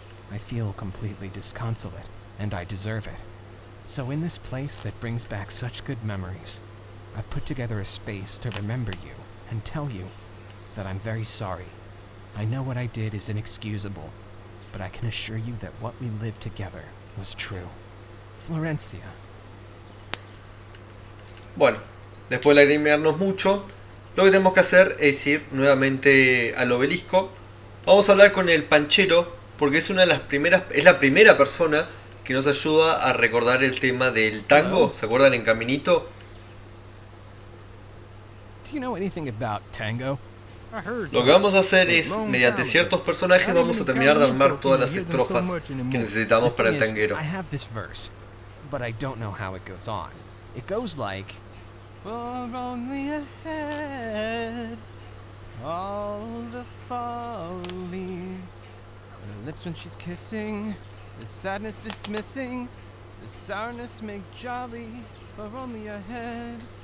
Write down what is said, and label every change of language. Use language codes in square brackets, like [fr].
[en] I feel completely disconsolate, and I deserve it. So in this place that brings back such good memories, I put together a space to remember you and tell you that I'm very sorry. I know what I did is inexcusable, but I can assure you that what we lived together was true. Florencia. [es] Bueno, después de lagrimearnos mucho, lo que tenemos que hacer es ir nuevamente al obelisco. Vamos a hablar con el panchero, porque es la primera persona que nos ayuda a recordar el tema del tango. ¿Se acuerdan en Caminito? [en] Do you know anything about tango? [es] Lo que vamos a hacer es, mediante ciertos personajes, vamos a terminar de armar todas las estrofas que necesitamos para el tanguero. [en] I have this verse, but I don't know how it goes on. It goes like, we're only ahead, all the fall leaves, the lips when she's kissing, the sadness dismissing, the sourness make jolly, we're only ahead.